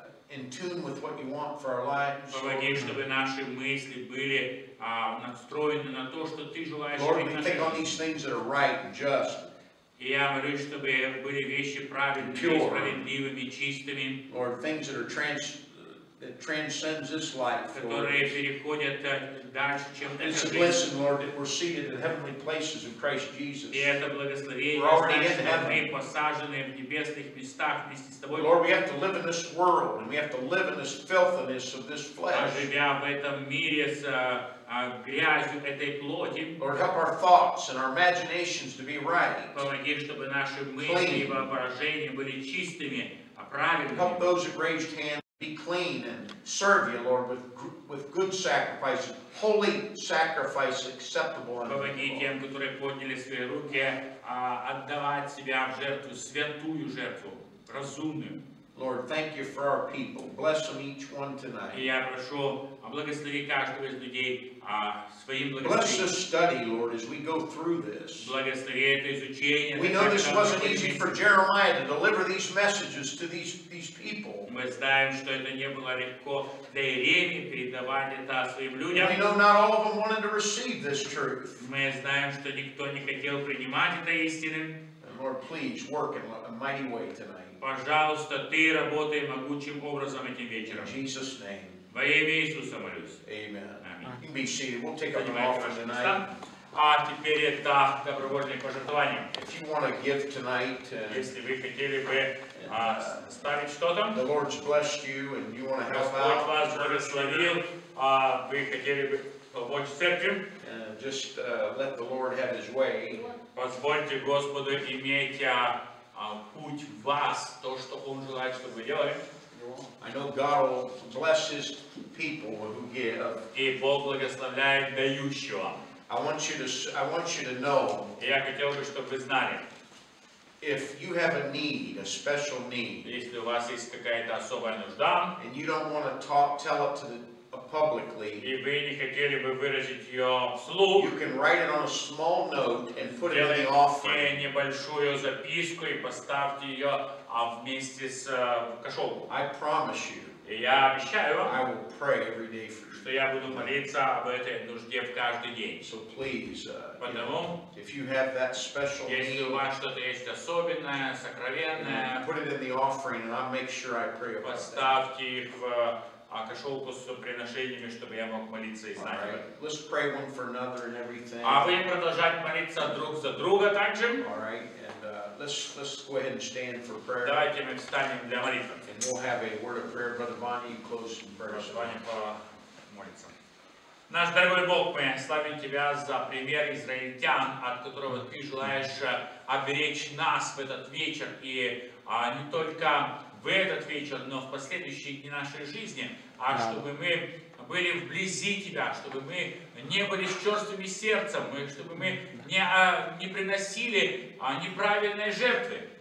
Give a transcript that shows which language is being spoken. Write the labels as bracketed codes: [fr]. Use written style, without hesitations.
[en] In tune with what you want for our lives. [ru] Помоги, чтобы наши мысли были настроены на то, что ты желаешь. [en] Lord, we think on these things that are right and just. [ru] И я молюсь, чтобы были вещи правильные, справедливыми, чистыми. [en] Lord, things that are transcends this life. [ru] Которые переходят дальше, чем эта жизнь. [en] It's a blessing, Lord, that we're seated in heavenly places in Christ Jesus. [ru] И это благословение. [en] We're already in heaven. [ru] Мы посажены в небесных местах вместе с тобой. [en] Lord, we have to live in this world, and we have to live in this filthiness of this flesh. [ru] Живя в этом мире с грязью этой плоти. [en] Lord, help our thoughts and our imaginations to be right. [ru] Помоги, чтобы наши мысли и воображения были чистыми, правильными. [en] Help those that raised hands. Be clean and serve you, Lord, with good sacrifice, holy sacrifice, acceptable unto you. [ru] Помоги тем, которые подняли свои руки, отдавать себя в жертву, святую жертву, разумную. [en] Lord, thank you for our people. Bless them each one tonight. [ru] И я прошу, благослови каждого из людей своим благословением. [en] Bless the study, Lord, as we go through this. [ru] Благослови это изучение. [en] We know this wasn't easy for Jeremiah to deliver these messages to these people. [ru] Мы знаем, что это не было легко для Иеремии передавать это своим людям. [en] We know not all of them wanted to receive this truth. [ru] Мы знаем, что никто не хотел принимать это истины. [en] Lord, please work in a mighty way tonight. [ru] Пожалуйста, ты работай могучим образом этим вечером. [en] In Jesus' name. [ru] Во имя Иисуса молюсь. [en] Amen. Amen. You can be seated. We'll take up an offering tonight. [ru] А теперь это добровольные пожертвования. [en] If you want to give tonight, [ru] если вы хотели бы ставить что-то, [en] the Lord's blessed you and you want to help out. [ru] Господь вас благословил, вы хотели бы помочь церкви. [en] Just let the Lord have His way. [ru] Позвольте Господу иметь путь в вас, то, что Он желает, чтобы вы делали. [en] I know God will bless His people who give. [ru] И Бог благословляет дающего. [en] I want you to know. [ru] Я хотел бы, чтобы вы знали. [en] If you have a need, a special need. [ru] Если у вас есть какая-то особая нужда. [en] And you don't want to tell it to the publicly. [ru] И вы не хотели бы выразить ее вслух. [en] You can write it on a small note and put it in the offering. [ru] Делайте небольшую записку и поставьте ее вместе с кошелком. [en] I promise you. [ru] И я обещаю вам. [en] I will pray every day for you. [ru] Что я буду молиться об этой нужде в каждый день. [en] So please. [ru] Потому. [en] If you have that special need. [ru] Если у вас что-то есть особенное, сокровенное. [en] Put it in the offering and I'll make sure I pray about that. [ru] Поставьте их в а кошелку с приношениями, чтобы я мог молиться и знать. [en] Right. Let's pray one for another and everything. [ru] А вы продолжать молиться друг за друга также? [en] All right. And let's go ahead and stand for prayer. [ru] Давайте мы встанем для молитвы. [en] And we'll have a word of prayer, Brother Vanya, you close in prayer. [ru] Брат Ваня, помолиться. Наш дорогой Бог, мы славим Тебя за пример израильтян, от которого Ты желаешь оберечь нас в этот вечер и не только в этот вечер, но в последующие дни нашей жизни, а чтобы мы были вблизи Тебя, чтобы мы не были с черствыми сердцем, чтобы мы не приносили неправильные жертвы.